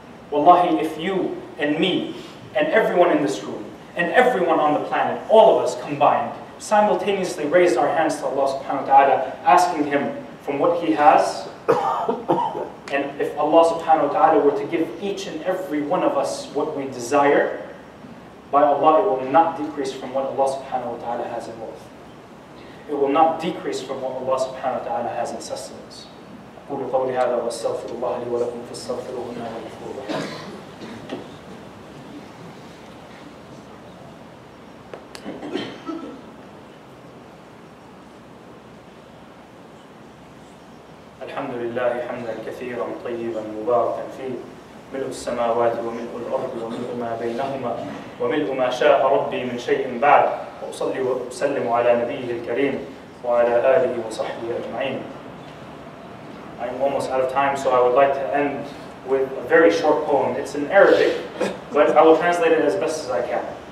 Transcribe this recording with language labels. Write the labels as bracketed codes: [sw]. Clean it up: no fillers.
[en] Wallahi, if you and me and everyone in this room and everyone on the planet, all of us combined, simultaneously raised our hands to Allah subhanahu wa ta'ala, asking Him from what He has, and if Allah subhanahu wa ta'ala were to give each and every one of us what we desire, by Allah, it will not decrease from what Allah subhanahu wa ta'ala has in wealth. It will not decrease from what Allah subhanahu wa ta'ala has in sustenance. [ar] أقول قولي هذا وأستغفر الله لي ولكم فاستغفروه إنه هو الغفور الرحيم. الحمد لله حمدا كثيرا طيبا مباركا فيه ملء السماوات وملء الأرض وملء ما بينهما وملء ما شاء ربي من شيء بعد وأصلي وأسلم على نبيه الكريم وعلى آله وصحبه أجمعين. [en] I'm almost out of time, so I would like to end with a very short poem. It's in Arabic, but I will translate it as best as I can.